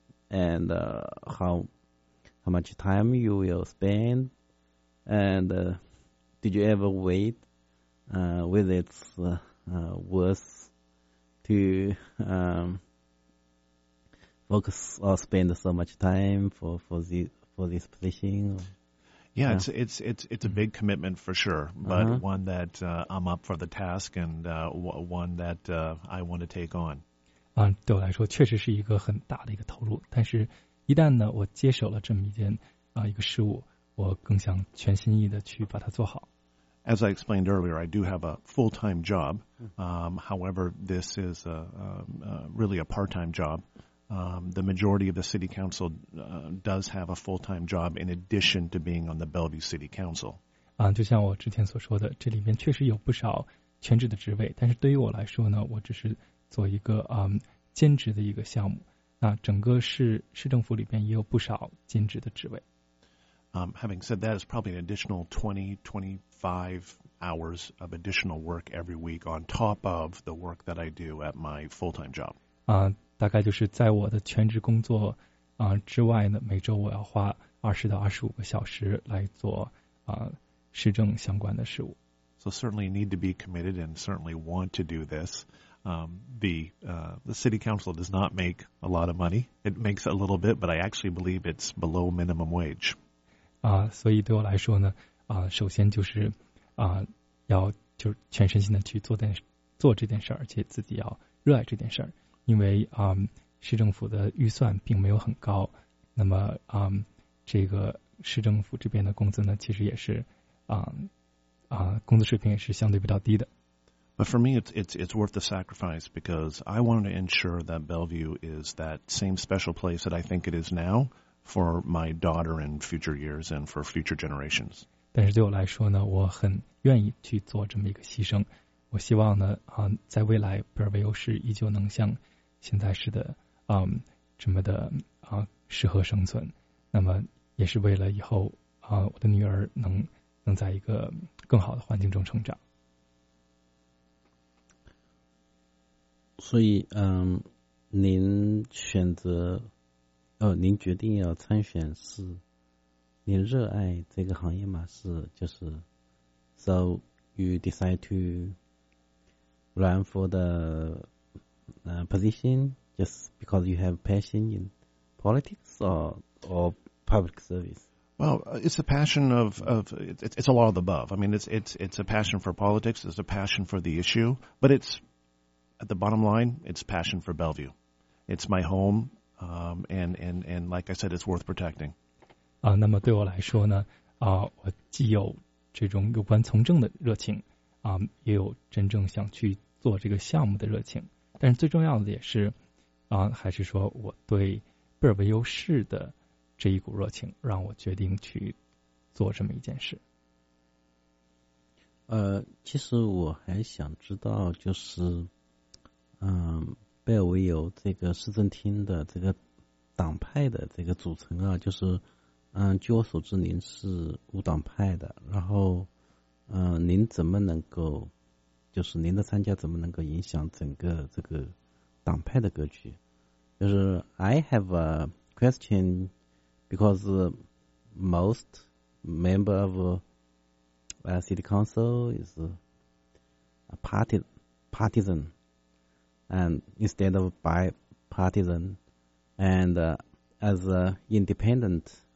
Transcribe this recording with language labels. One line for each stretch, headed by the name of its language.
English: and how much time you will spend, and did you ever wait whether it's worth to focus or spend so much time for this position? Yeah, it's a big commitment for sure, but one that I'm up for the task and one that I want to take on.
Chinese: 对我来说确实是一个很大的一个投入，但是一旦呢我接手了这么一件一个事物，我更想全心意的去把它做好。
English: As I explained earlier, I do have a full-time job. However, this is really a part-time job. The majority of the city council does have a full-time job in addition to being on the Bellevue City Council.
Chinese: 就像我之前所说的，这里面确实有不少全职的职位，但是对于我来说呢，我只是做一个兼职的一个项目。那整个市政府里边也有不少兼职的职位。
English: Having said that, it's probably an additional 20, 25 hours of additional work every week on top of the work that I do at my full-time job.
Chinese: 大概就是在我的全职工作之外呢，每周我要花20到25个小时来做市政相关的事务。
English: So certainly need to be committed and certainly want to do this. The city council does not make a lot of money. It makes a little bit, but I actually believe it's below minimum wage.
Chinese: 所以对我来说呢，首先就是要就全身心的去做这件事儿，而且自己要热爱这件事儿。因为市政府的预算并没有很高，那么这个市政府这边的工资呢，其实也是工资水平也是相对比较低的。
English: But for me, it's worth the sacrifice because I want to ensure that Bellevue is that same special place that I think it is now for my daughter in future years and for future generations.
Chinese: 但是对我来说呢，我很愿意去做这么一个牺牲。我希望呢，在未来，Bellevue是依旧能像现在似的，这么的适合生存。那么，也是为了以后我的女儿能在一个更好的环境中成长。所以，您选择，您决定要参选是，您热爱这个行业吗？是
English: ，so you decide to run for the position just because you have passion in politics or public service? Well, it's a passion it's a lot of the above. I mean, it's a passion for politics, it's a passion for the issue, but it's, at the bottom line, it's passion for Bellevue. It's my home, and like I said, it's worth protecting.
Chinese: 那么对我来说呢，我既有这种有关从政的热情，也有真正想去做这个项目的热情，但是最重要的也是，还是说我对贝尔维优市的这一股热情，让我决定去做这么一件事。其实我还想知道，就是，贝尔维优这个市政厅的这个党派的这个组成啊，就是，据我所知，您是无党派的，然后，您怎么能够？就是您的参加怎么能够影响整个这个党派的格局？就是
English: I have a question because most member of city council is a partisan and instead of bipartisan and as an independent